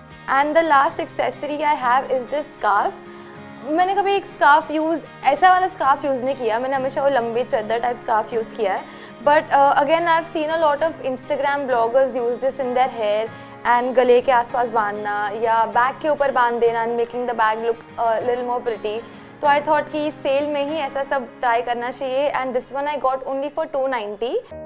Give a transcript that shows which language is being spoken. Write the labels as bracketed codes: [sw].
[en] And the last accessory I have is this scarf. [hi] मैंने कभी एक scarf use, ऐसा वाला scarf use नहीं किया. मैंने हमेशा वो लंबी चद्दर type scarf use किया है. [en] But again, I've seen a lot of Instagram bloggers use this in their hair and [hi] गले के आसपास बांधना या back के ऊपर बांध देना [en] and making the bag look a little more pretty. [hi] तो I thought कि सेल में ही ऐसा सब ट्राई करना चाहिए [en] and this one I got only for 290.